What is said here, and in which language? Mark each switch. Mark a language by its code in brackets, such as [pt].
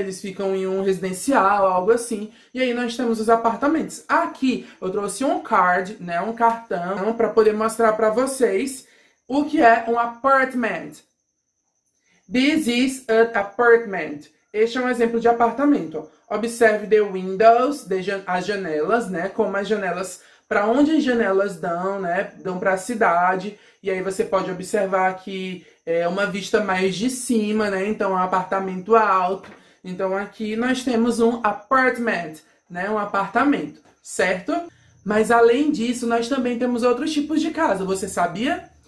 [pt] Eles ficam em um residencial, algo assim. E aí nós temos os apartamentos. Aqui eu trouxe um card, né, um cartão, para poder mostrar para vocês o que é um apartment. [en] This is an apartment. [pt] Este é um exemplo de apartamento. [en] Observe the windows, [pt] as janelas, [en] né? [pt] Como as janelas, para onde as janelas dão, né? Dão para a cidade. E aí você pode observar que é uma vista mais de cima, né? Então é um apartamento alto. Então aqui nós temos um apartment, né? Um apartamento, certo? Mas além disso, nós também temos outros tipos de casa. Você sabia?